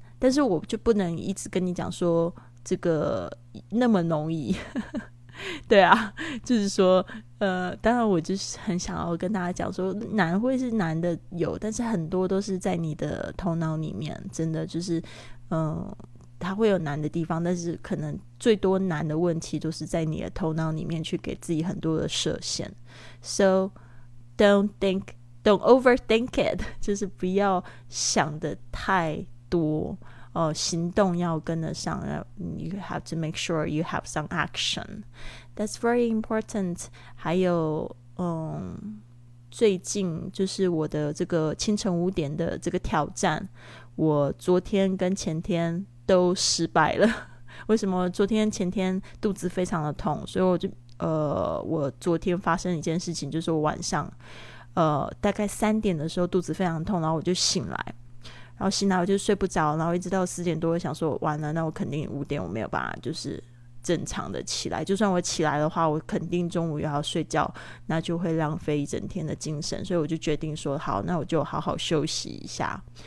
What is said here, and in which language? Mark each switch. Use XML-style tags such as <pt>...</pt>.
<zh>但是我就不能一直跟你讲说这个那么容易对啊，就是说当然我就是很想要跟大家讲说难会是难的有，但是很多都是在你的头脑里面，真的就是它会有难的地方，但是可能最多难的问题都是在你的头脑里面去给自己很多的设限。</zh> <en>So don't overthink it，</en> <zh>就是不要想的太多哦，行动要跟得上。</zh> <en>You have to make sure you have some action. That's very important.</en> <zh>还有最近就是我的这个清晨五点的这个挑战，我昨天跟前天都失败了。为什么？昨天前天肚子非常的痛，所以我就我昨天发生一件事情，就是我晚上大概3点的时候肚子非常痛，然后我就醒来，然后醒来我就睡不着，然后一直到4点多想说完了，那我肯定5点我没有办法就是正常的起来，就算我起来的话我肯定中午又要睡觉，那就会浪费一整天的精神，所以我就决定说好，那我就好好休息一下。</zh>